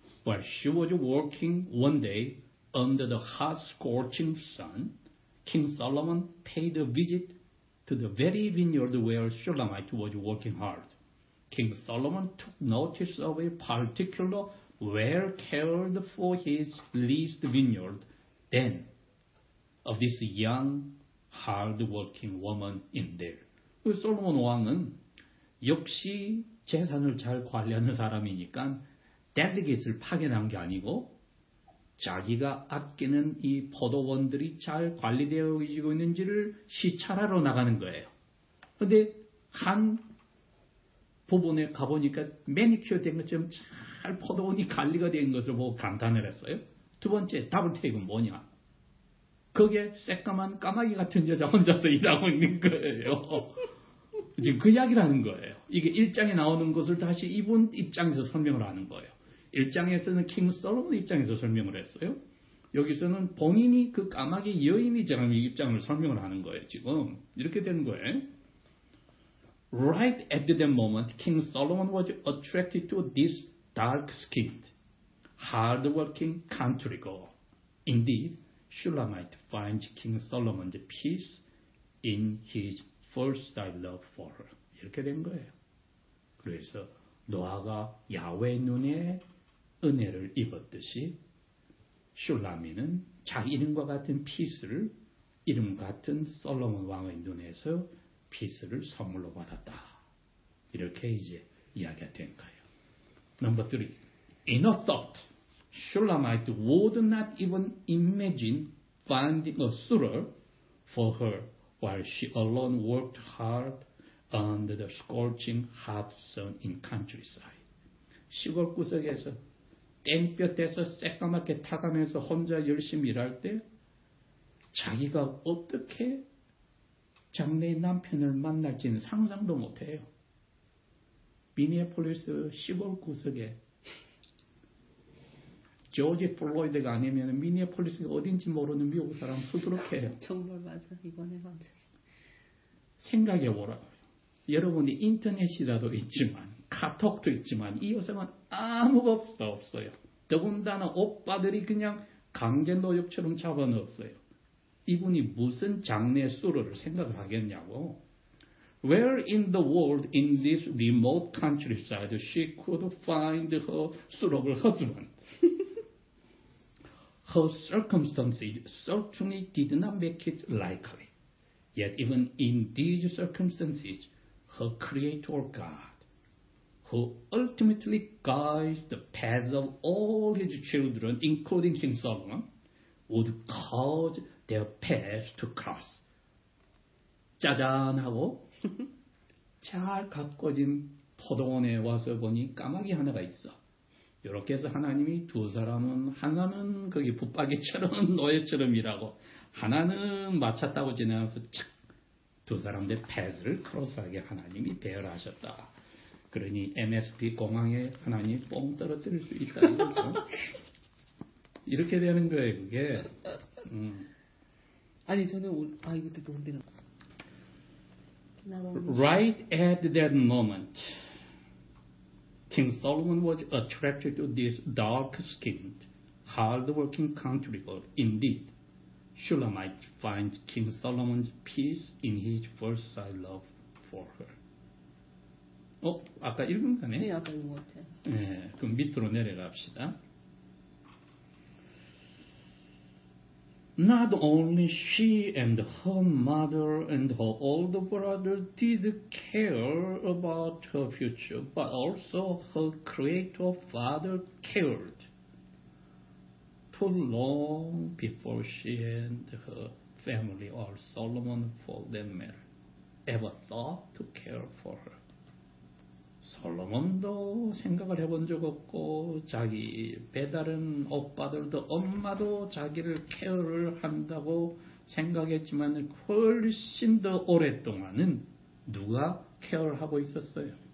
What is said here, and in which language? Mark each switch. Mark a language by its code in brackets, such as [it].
[en] While she was working one day under the hot scorching sun, King Solomon paid a visit to the very vineyard where Shulamite was working hard. King Solomon took notice of a particular well cared for his leased vineyard then of this young hard-working woman in there. [ko] 그 솔로몬 왕은 역시 재산을 잘 관리하는 사람이니까 데드깃을 파견한 게 아니고 자기가 아끼는 이 포도원들이 잘 관리되어지고 있는지를 시찰하러 나가는 거예요. 그런데 한 부분에 가보니까 매니큐어 된 것처럼 잘 포도원이 관리가 된 것을 보고 감탄을 했어요. 두 번째 더블테이크는 뭐냐? 거기에 새까만 까마귀 같은 여자 혼자서 일하고 있는 거예요. 지금 그 이야기라는 거예요. 이게 1장에 나오는 것을 다시 이분 입장에서 설명을 하는 거예요. 1장에서는 킹 솔로몬 입장에서 설명을 했어요. 여기서는 본인이 그 까마귀 여인이처럼 이 입장을 설명을 하는 거예요. 지금 이렇게 된 거예요. [en] Right at that moment, King Solomon was attracted to this dark-skinned, hard-working country girl. Indeed, Shulamite finds King Solomon's peace in his first sight love for her. [ko] 이렇게 된 거예요. 그래서 노아가 야훼 눈에 은혜를 입었듯이 슐라미는 자기 이름과 같은 피스를 이름 같은 솔로몬 왕의 눈에서 피스를 선물로 받았다. 이렇게 이제 이야기가 된 거예요. [en] Number three, in a thought, Shulamite would not even imagine finding a suitor for her while she alone worked hard under the scorching hot sun in countryside. [ko] 시골 구석에서 땡볕에서 새까맣게 타가면서 혼자 열심히 일할 때 자기가 어떻게 장래의 남편을 만날지는 상상도 못해요. 미니애폴리스 시골 구석에 조지 플로이드가 아니면 미니애폴리스가 어딘지 모르는 미국 사람 수두룩해요. 정말 맞아. 이번에 맞아. 생각해보라고요. 여러분이 인터넷이라도 있지만 카톡도 있지만 이 여성은 아무것도 없어요. 더군다나 오빠들이 그냥 강제 노역처럼 잡아넣었어요. 이분이 무슨 장래 수로를 생각을 하겠냐고. [en] Where in the world in this remote countryside she could find her suitable husband? Her circumstances certainly did not make it likely. Yet even in these circumstances, who created God, who ultimately guides the paths of all his children, including King Solomon, would cause their paths to cross. [ko] 짜잔 하고 잘 가꿔진 포도원에 와서 보니 까마귀 하나가 있어. 이렇게 해서 하나님이 두 사람은 하나는 거기 붙박이처럼 노예처럼 일하고 하나는 마쳤다고 지나가서 착 두 사람들의 패스를 크로스하게 하나님이 대열하셨다. 그러니 MSP 공항에 하나님이 뽕 떨어뜨릴 수 있다. 이렇게 되는 거예요. 그게 아니 저는 아 이것도 너무 되나. [en] Right at that moment, King Solomon was attracted to this dark-skinned, hard-working country girl. Indeed, Shulamite finds King Solomon's peace in his first sight love for her. [ko] 어, 아까 읽은 거네? 네, 아까 읽은 것 같아. 네, 그럼 밑으로 내려갑시다. [en] Not only she and her mother and her older brother did care about her future, but also her creator father cared. Too long before she and her family, or Solomon for that matter, ever thought to care for her. [ko] 솔로몬도 생각을 해본 적 없고 자기 배다른 오빠들도 엄마도 자기를 케어를 한다고 생각했지만 훨씬 더 오랫동안은 누가 케어를 하고 있었어요?